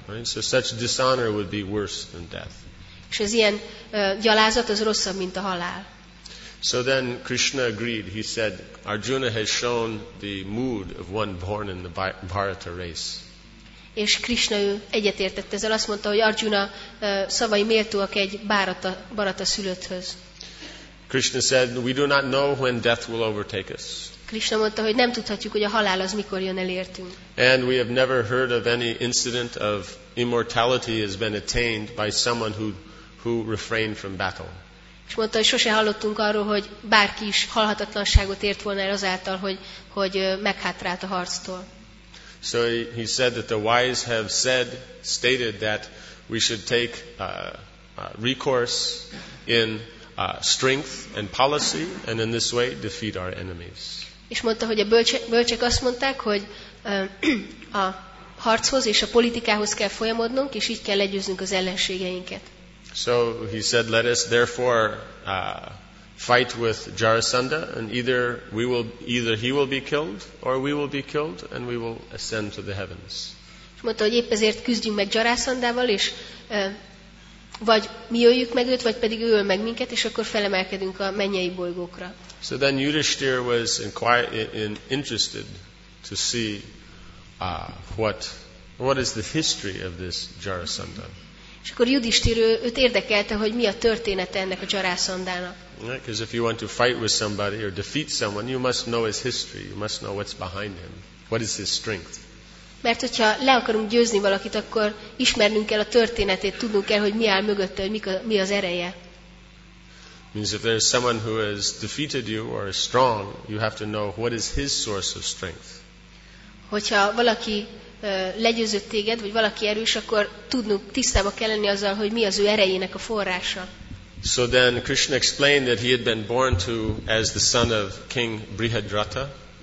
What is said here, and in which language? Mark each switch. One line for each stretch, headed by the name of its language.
English: Right? So such dishonor would be worse than death.
Hungarian: És az ilyen gyalázat az rosszabb, mint a halál.
English: So then Krishna agreed. He said, Arjuna has shown the mood of one born in the Bharata race.
Hungarian: És Krishna ő egyetértett ezzel, azt mondta, hogy Arjuna szavai méltóak egy Bharata szülötthöz.
English: Krishna said, we do not know when death will overtake us.
Hungarian: Krishna mondta, hogy nem tudhatjuk, hogy a halál az mikor jön elértünk.
English: And we have never heard of any incident of immortality has been attained by someone who refrained from battle.
Hungarian: És mondta, hogy sose hallottunk arról, hogy bárki is halhatatlanságot ért volna el azáltal, hogy meghátrált a harctól.
English: So he said that the wise have stated that we should take recourse in strength and policy, and in this way defeat our enemies.
Hungarian: És mondta, hogy a bölcsek azt mondták, hogy a harchoz és a politikához kell folyamodnunk, és így kell legyőznünk az ellenségeinket.
English: So he said, let us therefore fight with Jarasandha, and either he will be killed, or we will be killed, and we will ascend to the heavens.
Hungarian: És mondta, hogy épp ezért küzdjünk meg Jarasandával, és vagy mi öljük meg őt, vagy pedig ő öl meg minket, és akkor felemelkedünk a mennyei bolygókra.
English: So then Yudhishthir was interested to see what is the history of this Jarasandha.
Hungarian: És akkor Yudhishthir őt érdekelte, hogy mi a története ennek a Jarasandának.
English: Because if you want to fight with somebody or defeat someone, you must know his history. You must know what's behind him. What is his strength?
Hungarian: Mert hogyha le akarunk győzni valakit, akkor ismernünk kell a történetét, tudnunk kell, hogy mi áll mögötte, hogy mi az ereje.
English: Means if there's someone who has defeated you or is strong, you have to know what is his source of strength.
Hungarian: Hogyha valaki legyőzött téged, vagy valaki erős, akkor tudnunk, tisztába kell lenni azzal, hogy mi az ő erejének a forrása.
English: So then Krishna explained that he had been born to as the son of King Brihadrata.